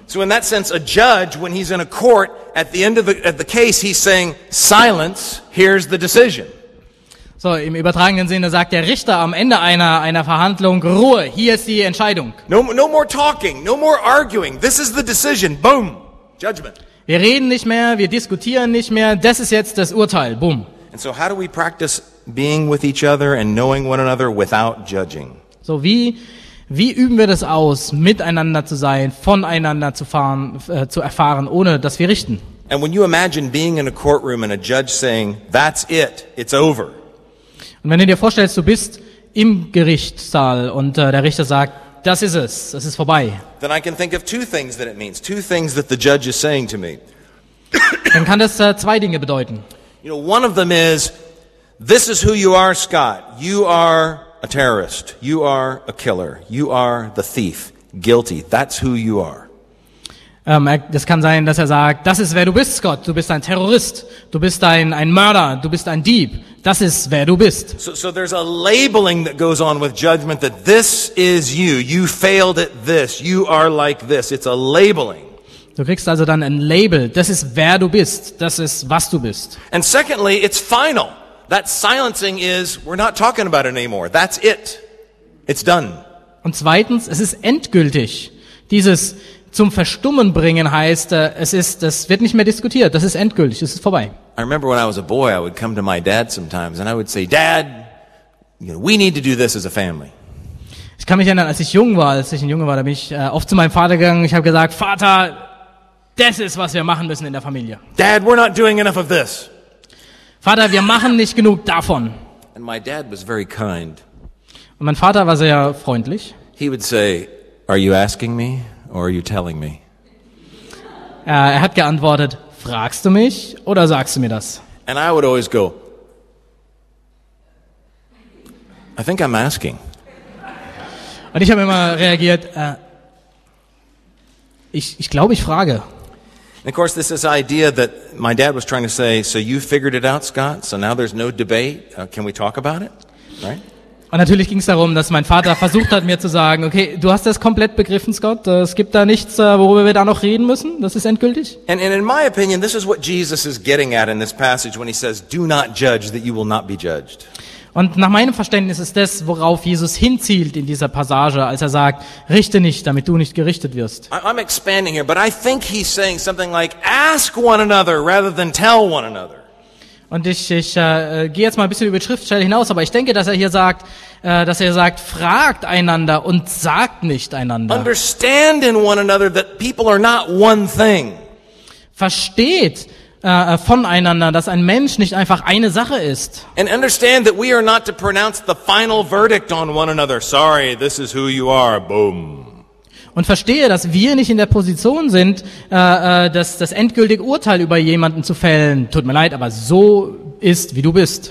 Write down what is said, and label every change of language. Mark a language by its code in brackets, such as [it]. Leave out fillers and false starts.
[en] So in that sense, a judge, when he's in a court, at the end of the case, he's saying, silence, here's the decision. [de] So, im übertragenen Sinne sagt der Richter am Ende einer Verhandlung: Ruhe, hier ist die Entscheidung. [en] No more talking, no more arguing. This is the decision. Boom. Judgment. [de] Wir reden nicht mehr, wir diskutieren nicht mehr. Das ist jetzt das Urteil. Boom. [en] And so how do we practice being with each other and knowing one another without judging? [de] So wie üben wir das aus, miteinander zu sein, voneinander zu erfahren, ohne dass wir richten? [en] And when you imagine being in a courtroom and a judge saying, "That's it, it's over." [de] Und wenn du dir vorstellst, du bist im Gerichtssaal und der Richter sagt, das ist es, das ist vorbei. [en] Then I can think of two things that it means, two things that the judge is saying to me. [de] Dann kann das zwei Dinge bedeuten. [en] You know, one of them is, this is who you are, Scott. You are a terrorist. You are a killer. You are the thief. Guilty. That's who you are. [de] Das kann sein, dass er sagt, das ist, wer du bist, Scott. Du bist ein Terrorist. Du bist ein Mörder. Du bist ein Dieb. Das ist, wer du bist. [en] So there's a labeling that goes on with judgment that this is you. You failed at this. You are like this. It's a labeling. [de] Du kriegst also dann ein Label. Das ist, wer du bist. Das ist, was du bist. [en] And secondly, it's final. That silencing is, we're not talking about it anymore. That's it. It's done. [de] Und zweitens, es ist endgültig. Dieses zum Verstummen bringen heißt, es wird nicht mehr diskutiert. Das ist endgültig. Es ist vorbei. [en] I remember when I was a boy, I would come to my dad sometimes and I would say, "Dad, you know, we need to do this as a family." [de] Ich kann mich erinnern, als ich ein Junge war, da bin ich oft zu meinem Vater gegangen. Ich habe gesagt, Vater, das ist, was wir machen müssen in der Familie. [en] Dad, we're not doing enough of this. [de] Vater, wir machen nicht genug davon. [en] And my dad was very kind. [de] Und mein Vater war sehr freundlich. [en] He would say, "Are you asking me? Or are you telling me?" [de] Er hat geantwortet, fragst du mich oder sagst du mir das? [en] And I would always go, "I think I'm asking." [de] Und ich habe immer reagiert, ich glaube, ich frage. [en] And of course, this is the idea that my dad was trying to say, "So you figured it out, Scott, so now there's no debate, can we talk about it?" Right? [de] Und natürlich ging es darum, dass mein Vater versucht hat, mir zu sagen, okay, du hast das komplett begriffen, Scott. Es gibt da nichts, worüber wir da noch reden müssen. Das ist endgültig. [en] And in my opinion, this is what Jesus is getting at in this passage when he says, "Do not judge that you will not be judged." [de] Und nach meinem Verständnis ist das, worauf Jesus hinzielt in dieser Passage, als er sagt, richte nicht, damit du nicht gerichtet wirst. [en] I'm expanding here, but I think he's saying something like, ask one another rather than tell one another. [de] Und ich gehe jetzt mal ein bisschen über die Schriftstelle hinaus, aber ich denke, dass er hier sagt, fragt einander und sagt nicht einander. [en] Understand in one another that people are not one thing. [de] Versteht voneinander, dass ein Mensch nicht einfach eine Sache ist. [en] And understand that we are not to pronounce the final verdict on one another. Sorry, this is who you are. Boom. [de] Und verstehe, dass wir nicht in der Position sind, das endgültige Urteil über jemanden zu fällen. Tut mir leid, aber so ist, wie du bist.